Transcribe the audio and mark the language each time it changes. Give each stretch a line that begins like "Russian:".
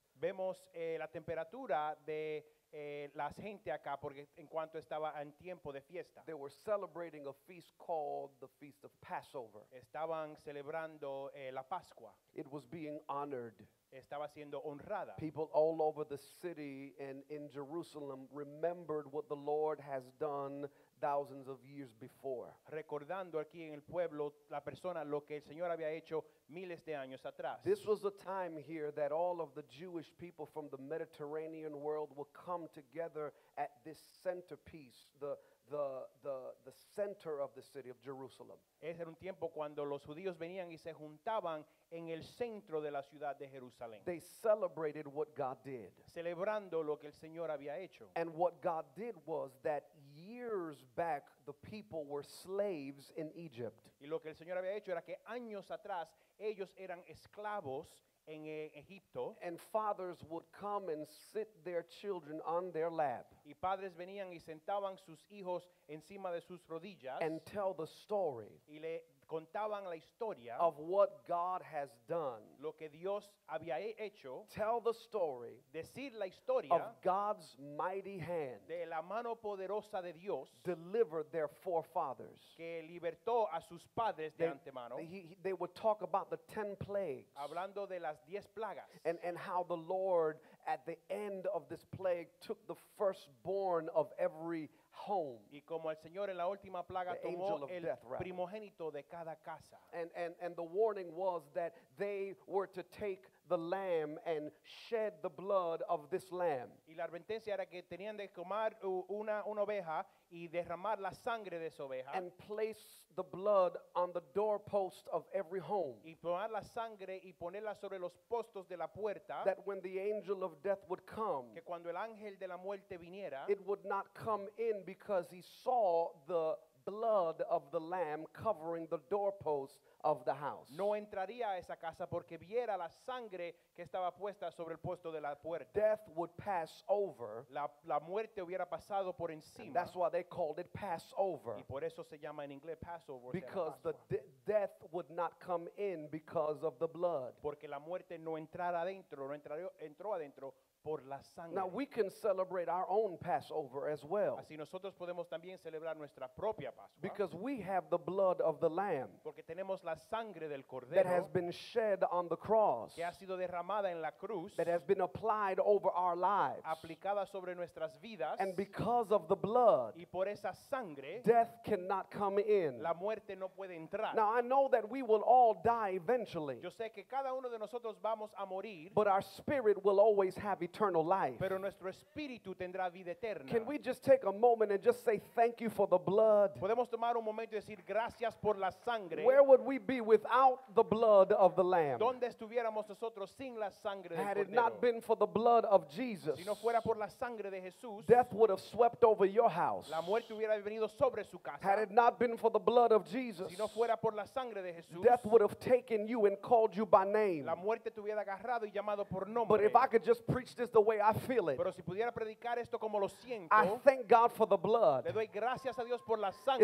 Spanish: Vemos la temperatura de la gente acá porque en cuanto estaba en tiempo de fiesta.
English: They were celebrating a feast called the Feast of Passover.
Spanish: Estaban celebrando la Pascua.
English: It was being honored.
Spanish: Estaba siendo honrada.
English: People all over the city and in Jerusalem remembered what the Lord has done thousands of years before.
Spanish: Recordando aquí en el pueblo la persona lo que el Señor había hecho miles de años atrás.
English: This was a time here that all of the Jewish people from the Mediterranean world would come together at this centerpiece, the center of the city of Jerusalem.
Spanish: Ese era un tiempo cuando los judíos venían y se juntaban en el centro de la ciudad de Jerusalén.
English: They celebrated what God did.
Spanish: Celebrando lo que el Señor había hecho.
English: And what God did was that years back the people were slaves in Egypt.
Spanish: Y lo que el Señor había hecho era que años atrás ellos eran esclavos en Egipto.
English: And fathers would come and sit their children on their lap.
Spanish: Y padres venían y sentaban sus hijos encima de sus rodillas.
English: And tell the story.
Spanish: Y le contaban la historia
English: of what God has done.
Spanish: Lo que Dios había hecho.
English: Tell the story.
Spanish: Decir la historia
English: of God's mighty hand.
Spanish: De la mano poderosa de Dios.
English: Delivered their forefathers.
Spanish: Que libertó a sus padres de antemano.
English: They would talk about the 10 plagues.
Spanish: Hablando de las 10 plagas.
English: And how the Lord at the end of this plague took the firstborn of every home.
Spanish: Y como el Señor en la última plaga tomó el primogénito de cada casa.
English: And the warning was that they were to take the lamb and shed the blood of this lamb.
Spanish: Y la advertencia era que tenían de tomar una oveja y derramar la sangre de esa oveja.
English: And place the blood on the doorpost of every home.
Spanish: Y tomar la sangre y ponerla sobre los postos de la puerta.
English: That when the angel of death would come,
Spanish: que cuando el ángel de la muerte viniera,
English: it would not come in because he saw the blood of the lamb covering the doorpost of the house.
Spanish: No entraría a esa casa porque viera la sangre que estaba puesta sobre el puesto de la puerta.
English: Death would pass over.
Spanish: La muerte hubiera pasado por encima.
English: That's why they called it Passover.
Spanish: Y por eso se llama en inglés Passover.
English: Because the death would not come in because of the blood.
Spanish: Porque la muerte no entrara adentro, no entró adentro.
English: Now we can celebrate our own Passover as well.
Spanish: Así nosotros podemos también celebrar nuestra propia Pascua.
English: Because we have the blood of the Lamb.
Spanish: Porque tenemos la sangre del cordero.
English: That has been shed on the cross.
Spanish: Que ha sido derramada en la cruz.
English: That has been applied over our lives.
Spanish: Aplicada sobre nuestras vidas.
English: And because of the blood.
Spanish: Y por esa sangre.
English: Death cannot come in.
Spanish: La muerte no puede entrar.
English: Now I know that we will all die eventually.
Spanish: Yo sé que cada uno de nosotros vamos a morir.
English: But our spirit will always have eternal life.
Spanish: Pero nuestro espíritu tendrá vida eterna.
English: Can we just take a moment and just say thank you for the blood?
Spanish: Podemos tomar un momento y decir gracias por la sangre.
English: Where would we be without the blood of the Lamb?
Spanish: ¿Dónde estuviéramos nosotros sin la sangre del
English: Cordero? Had it not been for the blood of Jesus,
Spanish: si no fuera por la sangre de Jesús,
English: death would have swept over your house.
Spanish: La muerte hubiera venido sobre su casa.
English: Had it not been for the blood of Jesus,
Spanish: si no fuera por la sangre de Jesús,
English: death would have taken you and called you by name.
Spanish: La muerte te hubiera agarrado y llamado por nombre.
English: But if I could just preach this the way I feel it.
Spanish: Pero si pudiera predicar esto como lo siento,
English: I thank God for the blood.
Spanish: Le doy gracias a Dios por la sangre.